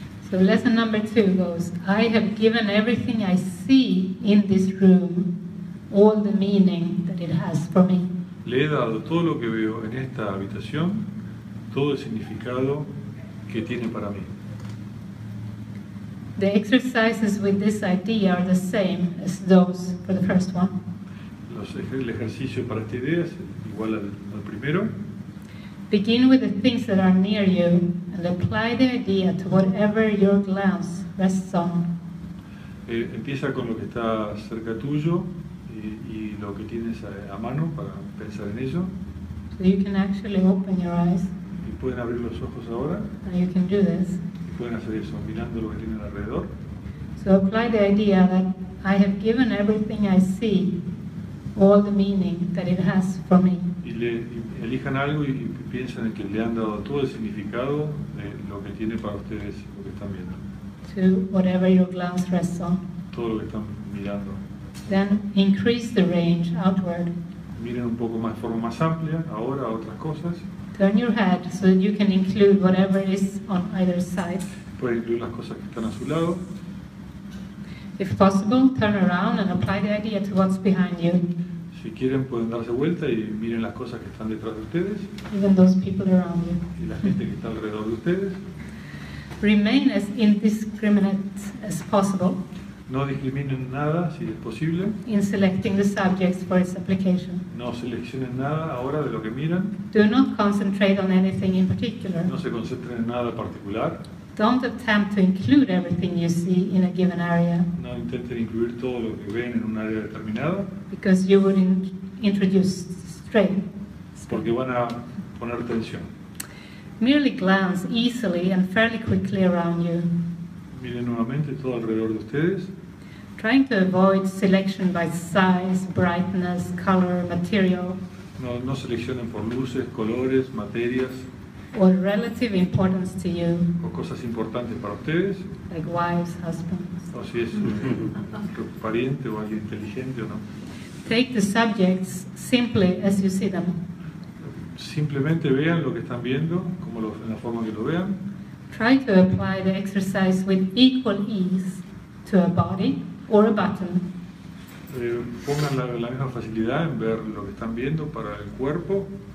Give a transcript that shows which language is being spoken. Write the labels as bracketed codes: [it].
[en] So lesson number two goes, I have given everything I see in this room all the meaning that it has for me. [es] Le he dado todo lo que veo en esta habitación, todo el significado que tiene para mí. [en] The exercises with this idea are the same as those for the first one. [es] El ejercicio para esta idea es igual al primero. [en] Begin with the things that are near you and apply the idea to whatever your glance rests on. [es] Empieza con lo que está cerca tuyo y lo que tienes a mano para pensar en ello. [en] So you can actually open your eyes. [es] Y pueden abrir los ojos ahora. [en] And you can do this. [es] Y pueden hacer eso mirando lo que tienen alrededor. [en] So apply the idea that I have given everything I see all the meaning that it has for me. [es] Elijan algo y piensan en que le han dado todo el significado de lo que tiene para ustedes, lo que están viendo. [en] To whatever your glance rests on. [es] Todo lo que están mirando. [en] Then increase the range outward. [es] Miren un poco más, de forma más amplia, ahora a otras cosas. [en] Turn your head so that you can include whatever is on either side. [es] Pueden incluir las cosas que están a su lado. [en] If possible, turn around and apply the idea to what's behind you. [es] Si quieren pueden darse vuelta y miren las cosas que están detrás de ustedes. [en] Even those people around you. [es] Y la gente que está alrededor de ustedes. [en] Remain as indiscriminate as possible. [es] No discriminen nada si es posible. [en] In selecting the subjects for its application. [es] No seleccionen nada ahora de lo que miran. [en] Do not concentrate on anything in particular. [es] No se concentren en nada particular. [en] Don't attempt to include everything you see in a given area. [es] No intenten incluir todo lo que ven en un área determinada. [en] Because you would introduce strain. [es] Porque van a poner tensión. [en] Merely glance easily and fairly quickly around you. [es] Miren nuevamente todo alrededor de ustedes. [en] Trying to avoid selection by size, brightness, color, material. [es] No seleccionen por luces, colores, materias. [en] Or relative importance to you. [es] O cosas importantes para ustedes. [en] Like wives, husbands. [es] O si es su pariente o alguien inteligente o no. [en] Take the subjects simply as you see them. [es] Simplemente vean lo que están viendo, como en la forma que lo vean. [en] Try to apply the exercise with equal ease to a body or a button. [es] Pongan la misma facilidad en ver lo que están viendo para el cuerpo.